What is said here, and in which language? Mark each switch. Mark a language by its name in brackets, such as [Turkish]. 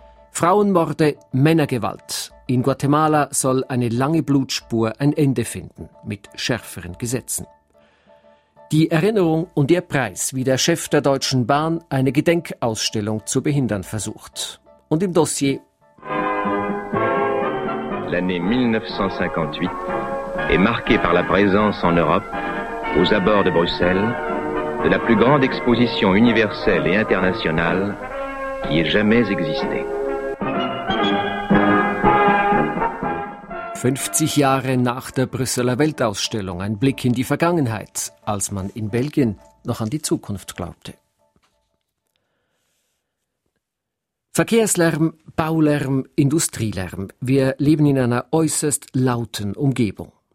[German] Frauenmorde, Männergewalt. In Guatemala soll eine lange Blutspur ein Ende finden, mit schärferen Gesetzen. Die Erinnerung und ihr Preis, wie der Chef der Deutschen Bahn eine Gedenkausstellung zu behindern versucht. Und im Dossier. [French] L'année 1958 est marquée par la présence en Europe, aux abords de Bruxelles, de la plus grande exposition universelle et internationale qui ait jamais existé. [German] 50 Jahre nach der Brüsseler Weltausstellung, ein Blick in die Vergangenheit, als man in Belgien noch an die Zukunft glaubte. Verkehrslärm, Baulärm, Industrielärm. Wir leben in einer äußerst lauten Umgebung.